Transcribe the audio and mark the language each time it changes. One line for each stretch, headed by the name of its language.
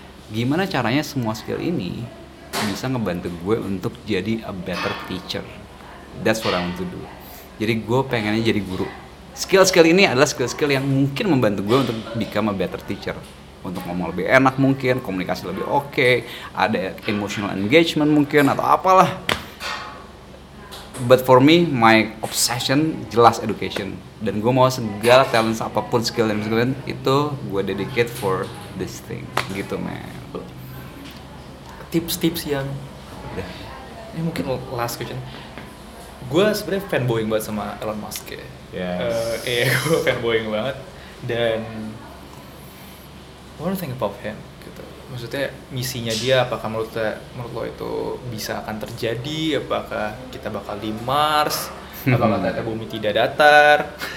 Indonesian: Gimana caranya semua skill ini bisa ngebantu gue untuk jadi
English: a better teacher? That's what I want to do.
Indonesian: Jadi gue pengennya jadi guru. Skill-skill ini adalah skill-skill yang mungkin membantu gue untuk
English: become a better teacher.
Indonesian: Untuk ngomong lebih enak mungkin, komunikasi lebih oke, ada
English: emotional engagement
Indonesian: mungkin, atau apalah.
English: But for me, my obsession
Indonesian: jelas
English: education.
Indonesian: Dan gue mau segala talent apapun, skill dan segala itu gue dedicate for this thing. Gitu, man. Tips-tips yang... Ini mungkin
English: last question.
Indonesian: Gue sebenarnya fanboying banget sama Elon Musk ya.
English: Yes.
Indonesian: Gue fanboying banget. Dan...
English: What do you think about him?
Indonesian: Gitu. Maksudnya misinya dia, apakah menurut lo itu bisa akan terjadi? Apakah kita bakal di Mars? Apakah bumi tidak datar?